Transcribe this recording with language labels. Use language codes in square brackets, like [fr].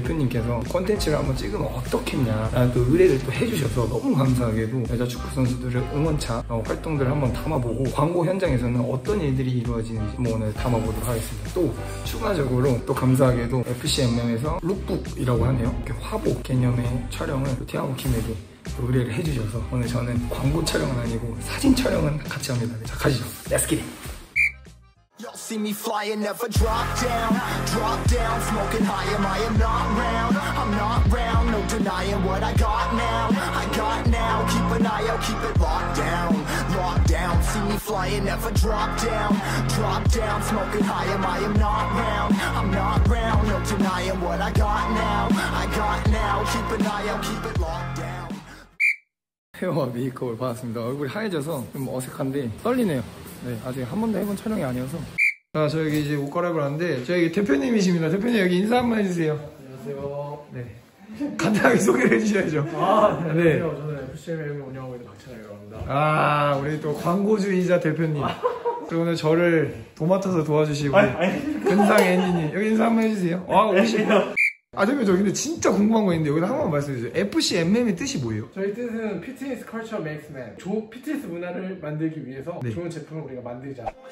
[ko] 대표님께서 콘텐츠를 한번 찍으면 어떻겠냐? 라는 또 의뢰를 또 해주셔서 너무 감사하게도 여자 축구 선수들의 응원차 활동들을 한번 담아보고 광고 현장에서는 어떤 일들이 이루어지는지 뭐 오늘 담아보도록 하겠습니다. 또 추가적으로 또 감사하게도 FCMM에서 룩북이라고 하네요. 이렇게 화보 개념의 촬영을 디아고 킴에게 의뢰를 해주셔서 오늘 저는 광고 촬영은 아니고 사진 촬영은 같이 합니다. 자 가시죠. [en] Let's get it. Y'all see me flying, never drop down, smoking high, am I am not round, I'm not round, no denying what I got now, keep an eye out, keep it locked down, locked down, see me flying, never drop down, smoking high, am I am not round, I'm not round, no denying what I got now, keep an eye out, keep it locked down. [ko] 헤어와 메이크업을 받았습니다. 얼굴이 하얘져서 좀 어색한데 떨리네요. 네, 아직 한 번도 해본 촬영이 아니어서. 자, 저 여기 이제 옷 갈아입을 하는데 저 여기 대표님이십니다. 대표님 여기 인사 한번 해주세요. 안녕하세요. 네. 간단하게 소개를 해주셔야죠. 아, 네. 안녕하세요. 저는 FCMM 운영하고 있는 박찬혁이라고 합니다. 아, 우리 또 광고주이자 대표님. 그리고 오늘 저를 도맡아서 도와주시고 근상 엔지니 여기 인사 한번 해주세요. 와, 오시고. 아 대표님 저 근데 진짜 궁금한 거 있는데 여기다 한 번만 말씀해 주세요. FCMM의 뜻이 뭐예요? 저희 뜻은 Fitness Culture Makes Man. 좋은 피트니스 문화를 만들기 위해서 네. 좋은 제품을 우리가 만들자.